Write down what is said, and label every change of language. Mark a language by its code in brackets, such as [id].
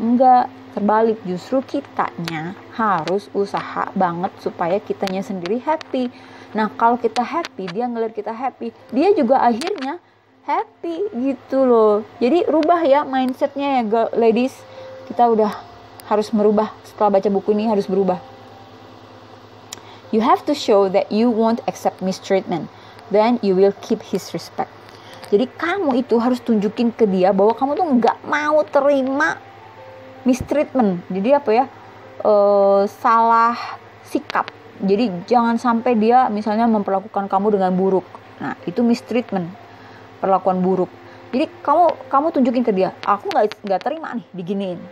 [id] Enggak, terbalik, justru kitanya harus usaha banget supaya kitanya sendiri happy. Nah, kalau kita happy, dia ngelihat kita happy, dia juga akhirnya happy gitu loh. Jadi rubah ya mindsetnya ya ladies, kita udah harus merubah. Setelah baca buku ini harus berubah. [en] You have to show that you won't accept mistreatment, then you will keep his respect. [id] Jadi kamu itu harus tunjukin ke dia bahwa kamu tuh gak mau terima mistreatment. Jadi apa ya, salah sikap. Jadi jangan sampai dia misalnya memperlakukan kamu dengan buruk. Nah, itu mistreatment, perlakuan buruk. Jadi kamu tunjukin ke dia, aku gak terima nih diginiin.